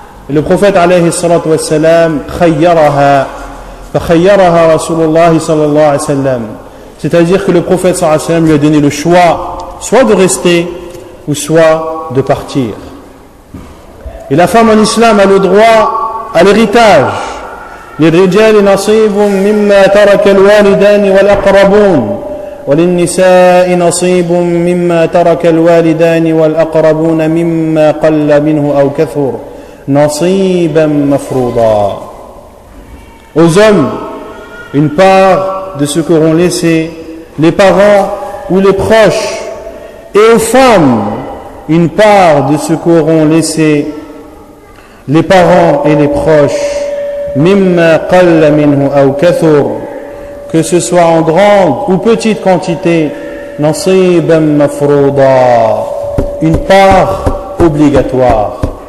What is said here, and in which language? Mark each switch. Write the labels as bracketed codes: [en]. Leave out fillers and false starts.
[fr] Et le prophète [ar] alayhi salatu wa sallam [fr] khayyaraha, fa khayyaraha rasulullah sallallahu alayhi wa sallam. C'est-à-dire que le prophète sallallahu alayhi wa sallam lui a donné le choix, soit de rester ou soit de partir. Et la femme en islam a le droit à l'héritage. [ar] للرجال نصيب مما ترك الوالدان والأقربون وللنساء نصيب مما ترك الوالدان والأقربون مما قل منه أو كثر نصيبا مفروضا. [fr] Aux hommes, une part de ce qu'auront laissé les parents ou les proches, et aux femmes, une part de ce qu'auront laissé les parents et les proches, [ar] mimma qalla minhu aw kathur, [fr] que ce soit en grande ou petite quantité, [ar] nasiban mafrouda, [fr] une part obligatoire.